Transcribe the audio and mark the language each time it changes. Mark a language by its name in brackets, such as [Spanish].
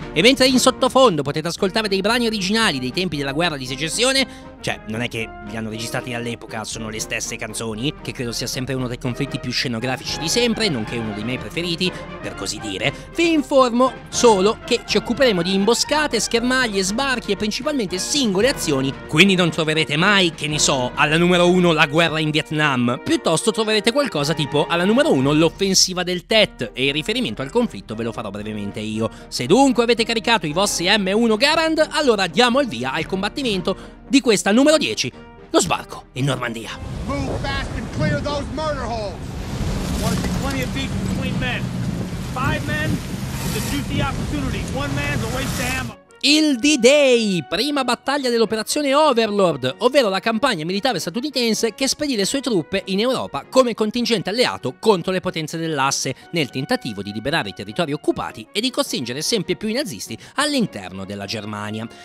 [Italian] E mentre in sottofondo potete ascoltare dei brani originali dei tempi della guerra di secessione, cioè non è che li hanno registrati all'epoca, sono le stesse canzoni, che credo sia sempre uno dei conflitti più scenografici di sempre, nonché uno dei miei preferiti, per così dire, vi informo solo che ci occuperemo di imboscate, schermaglie, sbarchi e principalmente singole azioni, quindi non troverete mai, che ne so, alla numero 1 la guerra in Vietnam, piuttosto troverete qualcosa tipo alla numero 1 l'offensiva del Tet, e il riferimento al conflitto ve lo farò brevemente io. Se dunque avete caricato i vostri M1 Garand, allora diamo il via al combattimento di questa numero 10, lo sbarco in Normandia. [English] Move fast and clear those murder holes. Want to be plenty of feet between men. Five men is a juicy opportunity. One man's a waste of ammo. [Italian] Il D-Day, prima battaglia dell'operazione Overlord, ovvero la campagna militare statunitense che spedì le sue truppe in Europa come contingente alleato contro le potenze dell'asse, nel tentativo di liberare i territori occupati e di costringere sempre più i nazisti all'interno della Germania.